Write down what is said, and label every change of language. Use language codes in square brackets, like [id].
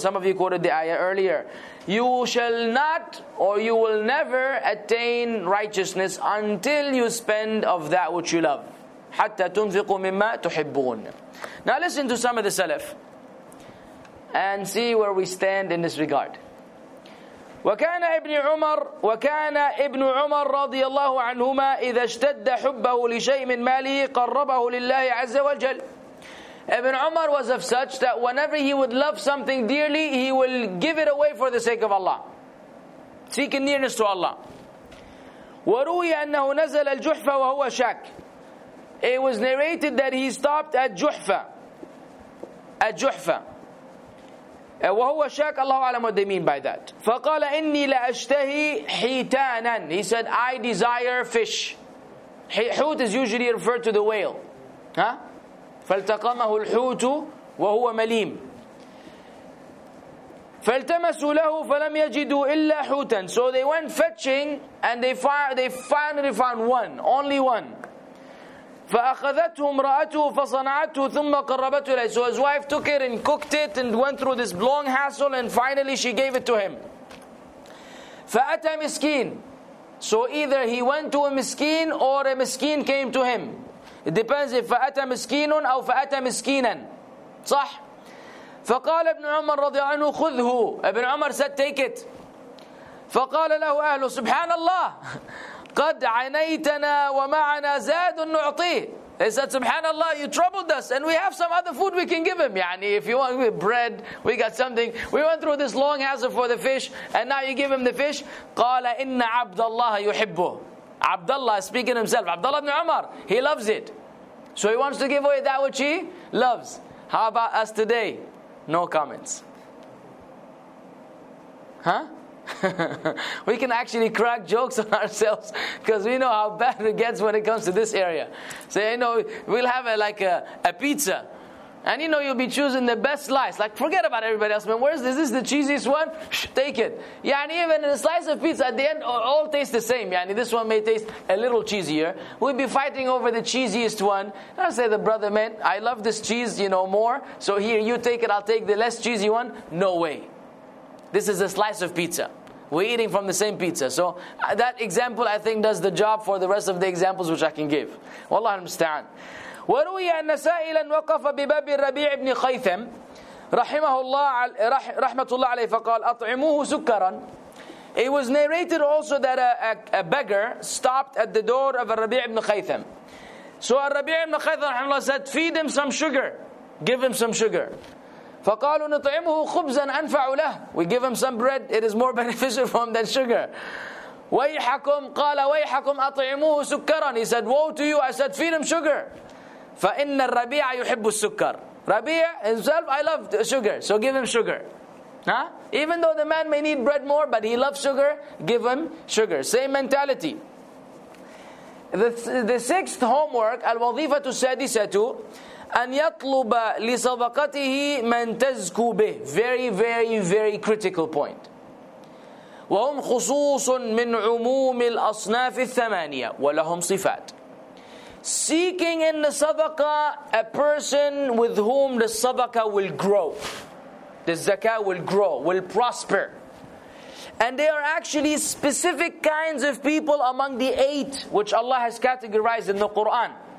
[en] Some of you quoted the ayah earlier. You shall not, or you will never attain righteousness until you spend of that which you love. [ar] حَتَّى تُنْفِقُوا مِمَّا تُحِبُّونَ. [en] Now listen to some of the Salaf and see where we stand in this regard. [ar] وكان ابن عمر وكان ابن عمر رضي الله عنهما إذا اشتد حبه لشيء من ماله قربه لله عز وجل. [en] Ibn Umar was of such that whenever he would love something dearly, he will give it away for the sake of Allah, seeking nearness to Allah. [ar] وروي أنه نزل الجحفة وهو شاك. [en] It was narrated that he stopped at Juhfa. At Juhfa. [ar] وهو شاك. الله أعلم [en] what they mean by that. [ar] فقال إني لأشتهي حيتانا. [en] He said, I desire fish. حوت is usually referred to the whale. [ar] Huh? فالتقمه الحوت وهو مليم. فالتمسوا له فلم يجدوا إلا حوتا. [en] So they went fetching and they finally found one, only one. [ar] فأخذته امرأته فصنعته ثم قربته إليه. [en] So his wife took it and cooked it and went through this long hassle and finally she gave it to him. [ar] فأتى مسكين. [en] So either he went to a مسكين or a مسكين came to him. It depends if [ar] فأتى مسكين أو فأتى مسكينا. صح. فقال ابن عمر رضي الله عنه خذه. [en] ابن عمر said take it. [ar] فقال له أهله سبحان الله قد عنيتنا ومعنا زاد نعطيه. [en] They said, Subhanallah, you troubled us and we have some other food we can give him. يعني, if you want bread, we got something. We went through this long hassle for the fish and now you give him the fish. [ar] قال إن عبد الله يحبه. [en] Abdullah speaking himself, Abdullah ibn Umar, he loves it. So he wants to give away that which he loves. How about us today? No comments. Huh? We can actually crack jokes on ourselves because we know how bad it gets when it comes to this area. So, you know, we'll have a pizza. And you know, you'll be choosing the best slice. Like, forget about everybody else, man. Where's this? Is this the cheesiest one? Shh, take it. Yeah, and even a slice of pizza at the end all taste the same. Yeah, and this one may taste a little cheesier. We'd be fighting over the cheesiest one. And I say, the brother, man, I love this cheese, you know, more. So here, you take it. I'll take the less cheesy one. No way. This is a slice of pizza. We're eating from the same pizza. So that example, I think, does the job for the rest of the examples which I can give. Wallahu al-musta'an. [ar] وروي أن سائلا وقف بباب الربيع بن خيثم رحمه الله رحمة الله عليه فقال أطعموه سكرا. [en] It was narrated also that a beggar stopped at the door of الربيع بن خيثم. So الربيع بن خيثم رحمه الله said, feed him some sugar, give him some sugar. [ar] فقالوا نطعمه خبزا أنفع له. [en] We give him some bread, it is more beneficial for him than sugar. [ar] ويحكم قال ويحكم أطعموه سكرا. [en] He said, woe to you, I said feed him sugar. [ar] فَإِنَّ الرَّبِيعَ يُحِبُّ السُّكَّرِ. [en] Rabi'a himself, I love sugar, so give him sugar. Huh? Even though the man may need bread more, but he loves sugar, give him sugar. Same mentality. The sixth homework, [ar] الْوَظِيفَةُ السَّادِسَةُ أَنْ يَطْلُبَ لِصَدَقَتِهِ مَنْ تَزْكُو بِهِ. [en] Very, very, very critical point. [ar] وَهُمْ خُصُوصٌ مِنْ عُمُومِ الْأَصْنَافِ الثَّمَانِيَةِ وَلَهُمْ صِفَاتٍ. [en] Seeking in the sadaqah a person with whom the sadaqah will grow. The zakah will grow, will prosper. And they are actually specific kinds of people among the eight which Allah has categorized in the Quran.